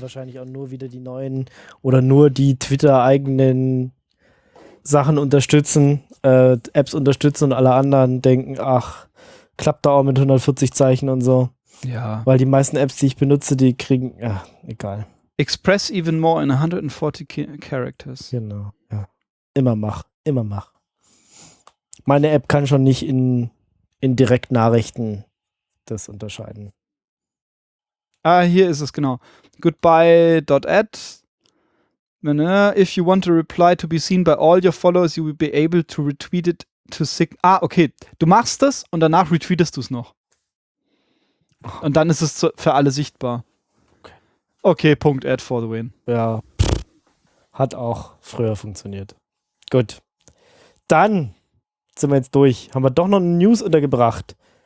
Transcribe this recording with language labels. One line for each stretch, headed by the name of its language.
German: Wahrscheinlich auch nur wieder die neuen oder nur die Twitter-eigenen Sachen unterstützen, Apps unterstützen und alle anderen denken, ach, klappt da auch mit 140 Zeichen und so. Ja. Weil die meisten Apps, die ich benutze, die kriegen, ach, egal.
English: Express even more in 140 characters.
German: Genau, ja. Immer mach. Meine App kann schon nicht in Direktnachrichten das unterscheiden. Ah, hier ist es, genau. Goodbye.at.
English: If you want a reply to be seen by all your followers, you will be able to retweet it to Ah, okay.
German: Du machst das und danach retweetest du es noch. Und dann ist es für alle sichtbar. Okay, Punkt Ad for the win. Ja. Hat auch früher funktioniert. Gut. Dann sind wir jetzt durch. Haben wir doch noch eine News untergebracht.